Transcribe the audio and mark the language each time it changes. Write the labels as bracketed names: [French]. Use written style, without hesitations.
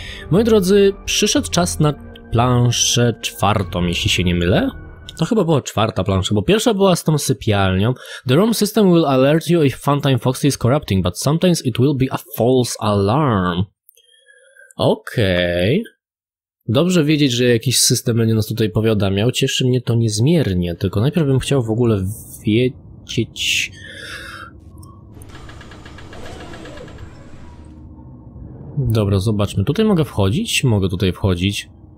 [Polish] Moi drodzy, przyszedł czas na planszę czwartą, jeśli się nie mylę. To chyba była czwarta plansza, bo pierwsza była z tą sypialnią. [English] The room system will alert you if Funtime Foxy is corrupting, but sometimes it will be a false alarm. Okej. Okay. [Polish] Dobrze wiedzieć, że jakiś system będzie nas tutaj powiadamiał. Cieszy mnie to niezmiernie, tylko najpierw bym chciał w ogóle wiedzieć... Dobra, zobaczmy. Tutaj mogę wchodzić? Mogę tutaj wchodzić.